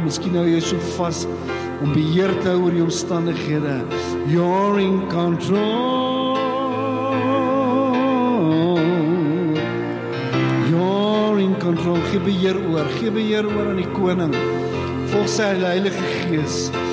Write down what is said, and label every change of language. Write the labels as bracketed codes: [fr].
[af] Miskien nou jy so vas om beheer te hou oor die omstandighede. [en] You're in control, you're in control. [af] Gee beheer oor aan die koning, volg sy Heilige Gees.